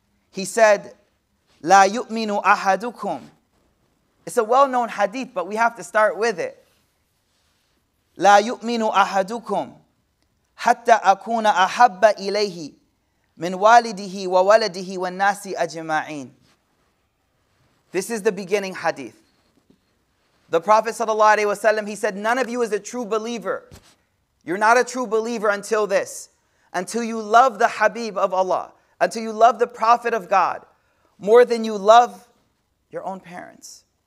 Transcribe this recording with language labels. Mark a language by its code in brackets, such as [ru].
[en] He said, [ar] لا يؤمن أحدكم. [en] It's a well-known hadith, but we have to start with it. [ar] لا يؤمن أحدكم حتى أكون أحب إليه من والده وولده والناس أجمعين. [en] This is the beginning hadith. The Prophet sallallahu alaihi wasallam, he said, none of you is a true believer. You're not a true believer until this, until you love the Habib of Allah, until you love the Prophet of God more than you love your own parents.